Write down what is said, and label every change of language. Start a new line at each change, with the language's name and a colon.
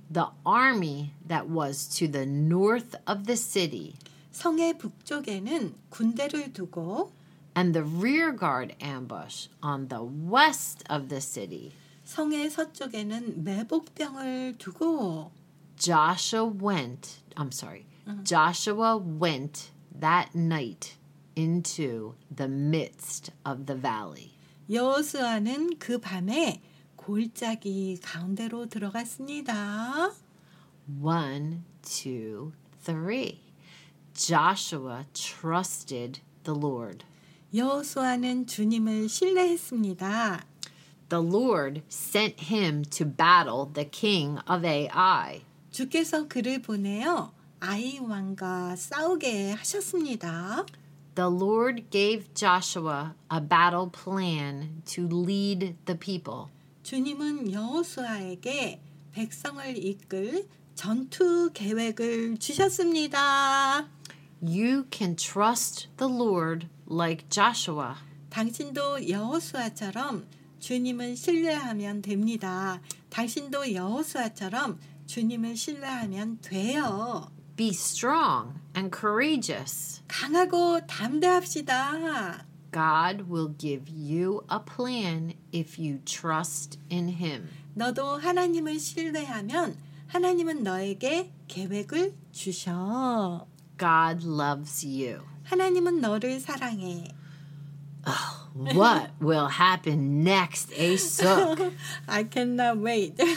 English: the army that was to the north of the city,
Korean: 성의 북쪽에는 군대를 두고,
English: and the rear guard ambush on the west of the city,
Korean: 성의 서쪽에는 매복병을 두고,
English: Joshua went that night into the midst of the valley.
Korean: 여호수아는 그 밤에 골짜기 가운데로 들어갔습니다.
English: 1, 2, 3. Joshua trusted the Lord.
Korean: 여호수아는 주님을 신뢰했습니다.
English: The Lord sent him to battle the king of Ai.
Korean: 주께서 그를 보내어 아이 왕과 싸우게 하셨습니다.
English: The Lord gave Joshua a battle plan to lead the people.
Korean: 주님은 여호수아에게 백성을 이끌 전투 계획을 주셨습니다.
English: You can trust the Lord like Joshua.
Korean: 당신도 여호수아처럼 주님을 신뢰하면 됩니다. 당신도 여호수아처럼 주님을 신뢰하면 돼요.
English: Be strong and courageous.
Korean: 강하고 담대합시다.
English: God will give you a plan if you trust in Him.
Korean: 너도 하나님을 신뢰하면 하나님은 너에게 계획을 주셔.
English: God loves you.
Korean: 하나님은 너를 사랑해.
English: What will happen next, Aesuk? I cannot wait.